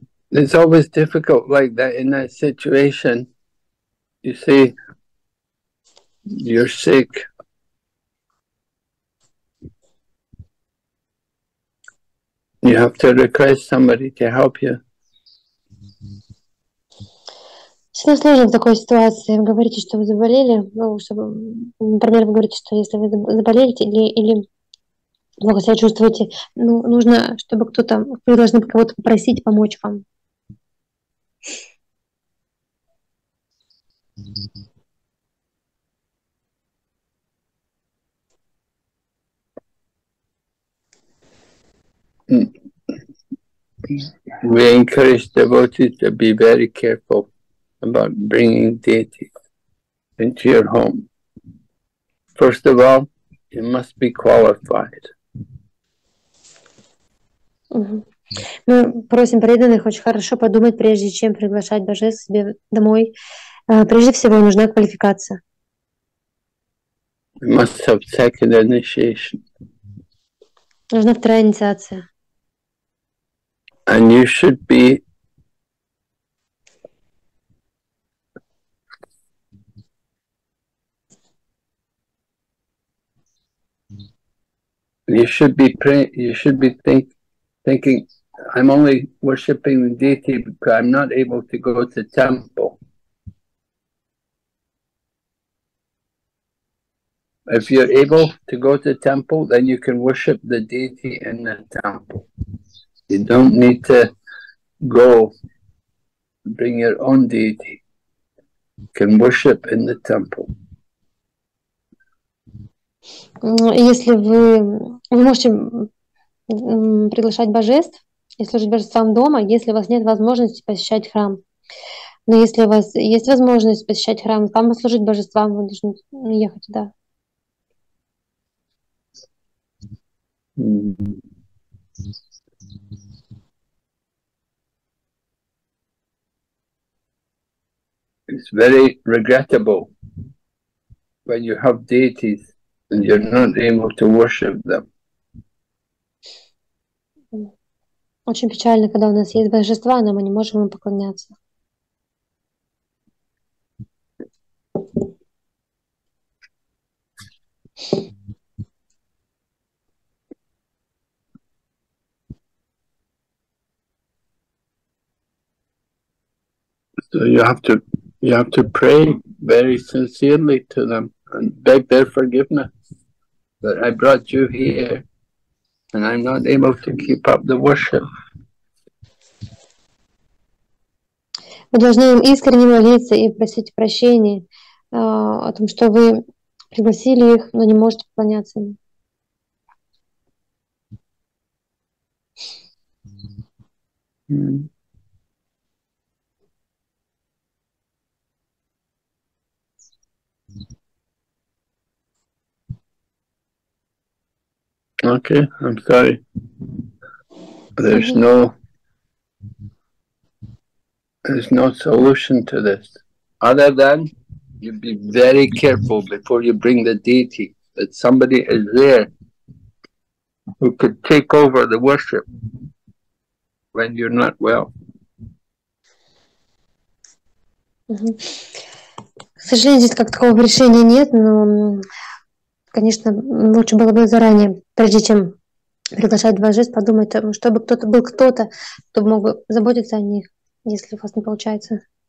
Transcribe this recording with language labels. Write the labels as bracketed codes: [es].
[en] It's always difficult like that in that situation. You see, you're sick. You have to request somebody to help you. [ru] Всегда сложно в такой ситуации. Вы говорите, что вы заболели, ну, чтобы, например, вы говорите, что если вы заболеете или плохо себя чувствуете, ну, нужно, чтобы кто-то, вы должны кого-то попросить помочь вам. [en] We encourage devotees to be very careful about bringing deities into your home. First of all, you must be qualified. [ru] Мы просим преданных очень хорошо подумать, прежде чем приглашать божеств себе домой. Прежде всего, нужна квалификация. [en] You must have second initiation. [ru] Нужна вторая инициация. [en] And you should be thinking, I'm only worshipping the deity because I'm not able to go to temple. If you're able to go to temple, then you can worship the deity in the temple. You don't need to go bring your own deity. You can worship in the temple. [ru] Если вы можете приглашать божеств и служить божествам дома, если у вас нет возможности посещать храм. Но если у вас есть возможность посещать храм, там служить божествам, вы должны ехать туда. [en] It's very regrettable when you have deities and you're not able to worship them. [ru] Очень печально, когда у нас есть божества, но мы не можем им поклоняться. [en] So you have to pray very sincerely to them and beg their forgiveness that I brought you here and I'm not able to keep up the worship. [ru] Вы должны им искренне молиться и просить прощения о том, что вы пригласили их, но не можете поклоняться им. [en] Okay, I'm sorry. There's no solution to this, other than you be very careful before you bring the deity, that somebody is there who could take over the worship when you're not well. [ru] К сожалению, здесь как такого решения нет, но конечно, лучше было бы заранее, прежде чем приглашать два жест, подумать о том, чтобы кто-то был кто-то, кто мог бы заботиться о них, если у вас не получается.